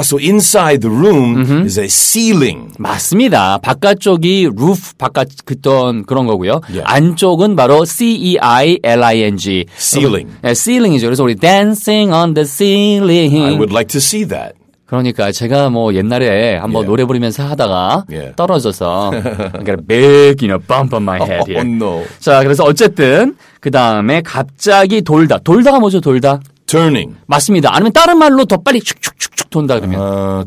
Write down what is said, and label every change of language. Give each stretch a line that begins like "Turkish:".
English: So inside the room uh-huh. is a ceiling.
Korean: 맞습니다. 바깥쪽이 roof, 바깥 그던 그런 거고요.
English: Yeah.
Korean: 안쪽은 바로 ceiling.
English: Ceiling.
Korean: 네, ceiling이죠. 그래서 우리
English: dancing on the ceiling. I would like to see that.
Korean: 그러니까 제가 뭐 옛날에 한번
English: yeah.
Korean: 노래 부르면서 하다가
English: yeah.
Korean: 떨어져서
English: big, you know, bump on my head. Yeah. Oh, no.
Korean: 자, 그래서 어쨌든 그다음에 갑자기 돌다. 돌다가 뭐죠, 돌다?
English: Turning.
Korean: 맞습니다. 아니면 다른 말로 더 빨리 축축축축 돈다 그러면.